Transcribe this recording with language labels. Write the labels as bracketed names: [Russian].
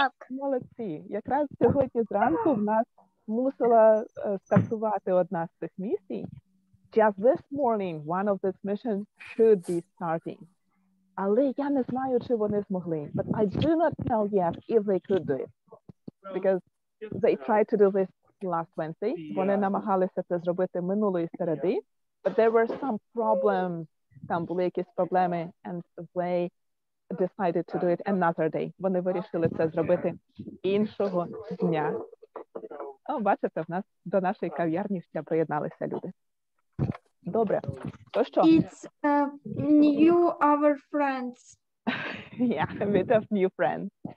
[Ukrainian] Молодці, якраз сьогодні зранку в нас мусила стартувати одна з цих місій. [English] Just this morning one of these missions should be starting. [Ukrainian] Але я не знаю, чи вони змогли. [English] But I do not know yet if they could do it. Because they tried to do this last Wednesday. [Ukrainian] Вони намагалися це зробити минулої середи. [English] But there were some problems. [Ukrainian] Там були якісь проблеми. [English] And they decided to do it another day. [Ukrainian] Вони вирішили це зробити іншого дня. О, бачите, в нас до нашої кав'ярні ще приєдналися люди. Добре. То що? [English] It's new our friends. Yeah, a bit of new friends.